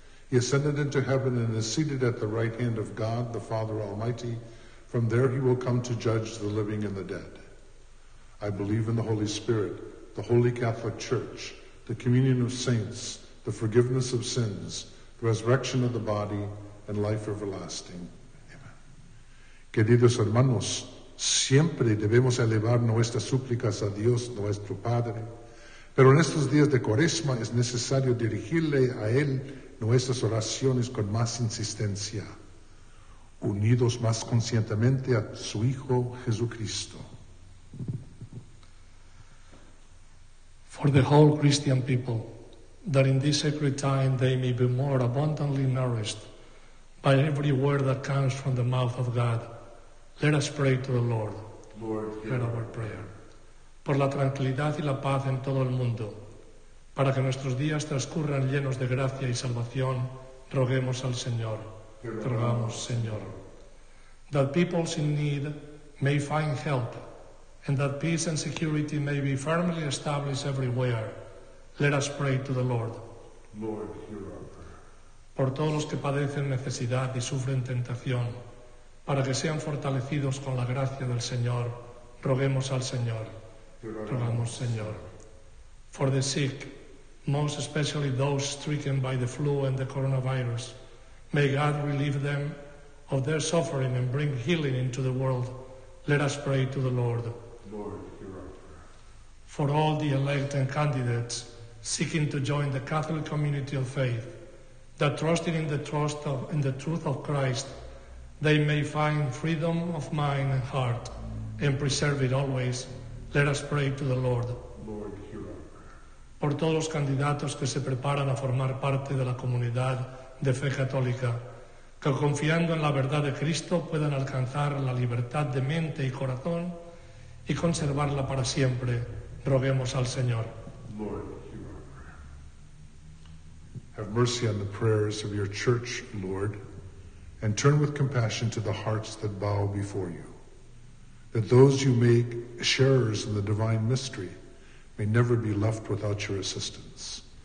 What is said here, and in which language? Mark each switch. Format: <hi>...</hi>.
<en>He ascended into heaven and is seated at the right hand of God, the Father Almighty. From there he will come to judge the living and the dead. I believe in the Holy Spirit, the Holy Catholic Church, the communion of saints, the forgiveness of sins, the resurrection of the body, and life everlasting. Amen.</en> <es>Queridos hermanos, siempre debemos elevar nuestras súplicas a Dios, nuestro Padre, pero en estos días de cuaresma es necesario dirigirle a Él nuestras oraciones con más insistencia, unidos más conscientemente a su Hijo Jesucristo.</es> <en>for the whole Christian people, that in this sacred time they may be more abundantly nourished by every word that comes from the mouth of God. Let us pray to the Lord. Lord, hear our prayer.</en> <es>Por la tranquilidad y la paz en todo el mundo, para que nuestros días transcurran llenos de gracia y salvación, roguemos al Señor. Rogamos, Señor.</es> <en>That peoples in need may find help, and that peace and security may be firmly established everywhere, let us pray to the Lord. Lord, hear our prayer.</en> <es>Por todos los que padecen necesidad y sufren tentación, para que sean fortalecidos con la gracia del Señor, roguemos al Señor. Rogamos, Señor.</es> <en>For the sick, most especially those stricken by the flu and the coronavirus, may God relieve them of their suffering and bring healing into the world. Let us pray to the Lord. Lord, hear our prayer. For all the elect and candidates seeking to join the Catholic community of faith, that trusting in the truth of Christ, they may find freedom of mind and heart and preserve it always, let us pray to the Lord. Lord, hear our prayer.</en> <es>Por todos los candidatos que se preparan a formar parte de la comunidad de fe católica, que confiando en la verdad de Cristo puedan alcanzar la libertad de mente y corazón y conservarla para siempre, roguemos al Señor.</es> <en>Lord, hear our prayer. Have mercy on the prayers of your church, Lord, and turn with compassion to the hearts that bow before you, that those you make sharers in the divine mystery may never be left without your assistance.</en>